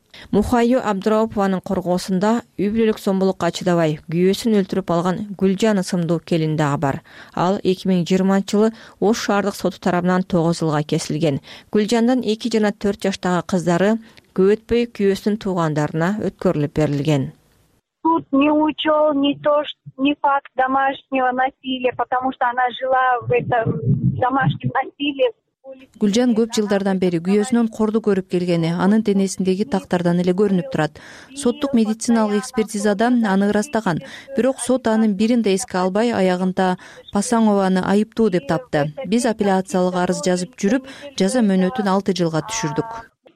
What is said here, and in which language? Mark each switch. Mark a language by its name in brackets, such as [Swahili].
[Kyrgyz] Мухаю Абдыраупованын коргоосунда үй бүлөлүк зомбулукка чыдабай күйөөсүн өлтүрүп алган Гүлжан ысымдуу келин дагы бар. Ал 2020 жылы Ош шаардык соту тарабынан 9 жылга кесилген. Гүлжандын 2 жана 4 жаштагы кыздары көп өтпөй күйөөсүнүн туугандарына өткөрүлүп берилген. [Russian] Суд не учел не факт домашнего насилия, потому что она жила в этом домашнем насилии. [Kyrgyz] Гүлжан көп жылдардан бери күйөөсүнөн корду көрүп келгени анын денесиндеги тактардан эле көрүнүп турат. Соттук медициналык экспертизада аны ырастаган, бирок сот анын бирин да эске албай, аягында Пасанованы айыптуу деп тапты. Биз апелляциялык арыз жазып жүрүп, жаза мөөнөтүн 6 жылга түшүрдүк.